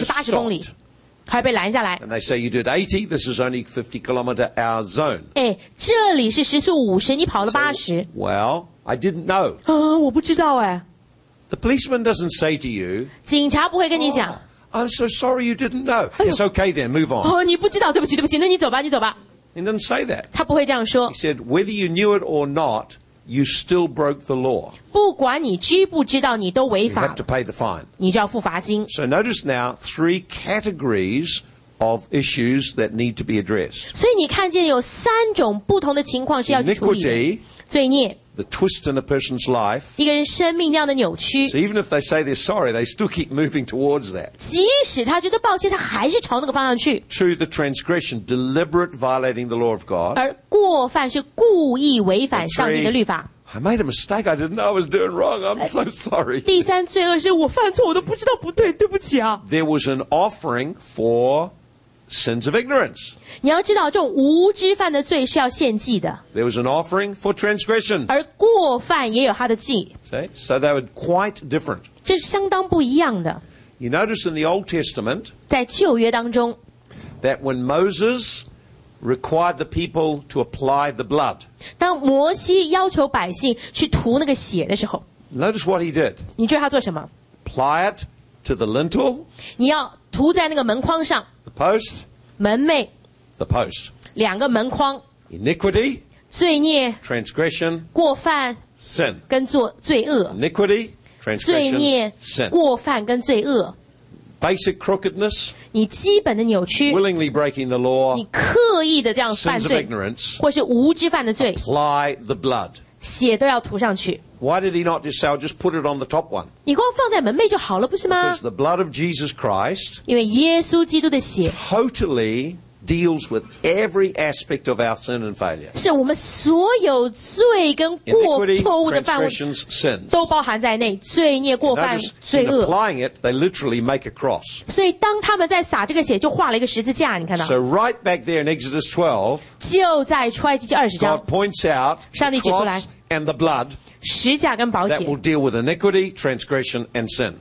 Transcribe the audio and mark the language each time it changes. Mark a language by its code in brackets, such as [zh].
[zh] 举例来说，你开车在路上没注意这边时速五十，啊，你走跑了一个小时，一个小时八十公里，还被拦下来。 [en] And they say you did 80, this is only 50 kilometer hour zone. [zh] 哎，这里是时速五十，你跑了八十。 [en] Well, I didn't know. [zh] 啊，我不知道哎。 [en] The policeman doesn't say to you. [zh] 警察不会跟你讲。 [en] Oh, I'm so sorry you didn't know. It's okay then, move on. [zh] 哦，你不知道，对不起，那你走吧。 [en] He didn't say that. [zh] 他不会这样说。 [en] He said whether you knew it or not. You still broke the law. [zh] 不管你知不知道，你都违法。 [en] You have to pay the fine. [zh] 你就要付罚金。 [en] So notice now three categories of issues that need to be addressed. [zh] 所以你看见有三种不同的情况是要去处理的。Iniquity, 罪孽。 [en] The twist in a person's life. [zh] 一个人生命这样的扭曲。 [en] So even if they say they're sorry, they still keep moving towards that. [zh] 即使他觉得抱歉，他还是朝那个方向去。 [en] To the transgression, deliberate violating the law of God. [zh] 而过犯是故意违反上帝的律法。 [en] I made a mistake. I didn't know I was doing wrong. I'm so sorry. [zh] 第三罪恶是我犯错，我都不知道不对，对不起啊。 [en] There was an offering for sins of ignorance. [zh] 你要知道，这种无知犯的罪是要献祭的。 [en] There was an offering for transgressions. [zh] 而过犯也有他的祭。 [en] See? So they were quite different. [zh] 这是相当不一样的。 [en] You notice in the Old Testament, [zh] 在旧约当中 [en] that when Moses required the people to apply the blood, [zh] 当摩西要求百姓去涂那个血的时候 [en] notice what he did. [zh] 你知道他做什么？ [en] Apply it to the lintel. [zh] 你要涂在那个门框上。 [en] The post. [zh] 门楣。 [en] The post. [zh] 两个门框。 [en] Iniquity. [zh] 罪孽。 [en] Transgression. [zh] 过犯。 [en] Sin. [zh] 跟做罪恶。 [en] Iniquity. Transgression. [zh] 罪孽。 [en] Sin. [zh] 过犯跟罪恶。 [en] Basic crookedness. [zh] 你基本的扭曲。 [en] Willingly breaking the law. [zh] 你刻意的这样犯罪。 [en] Sins of ignorance. [zh] 或是无知犯的罪。 [en] Apply the blood. [zh] 血都要涂上去。 [en] Why did he not just say, I'll just put it on the top one? [zh] 你光放在门楣就好了，不是吗？ [en] Because the blood of Jesus Christ, [zh] 因为耶稣基督的血 [en] totally deals with every aspect of our sin and failure. [zh] 是我们所有罪跟过错误的犯罪都包含在内，罪孽、过犯、罪恶。 [en] In applying it, they literally make a cross. [zh] 所以当他们在撒这个血，就画了一个十字架，你看到。 [en] So right back there in Exodus 12, [zh] 就在出埃及记二十章 [en] God points out the cross and the blood that will deal with iniquity, transgression, and sin.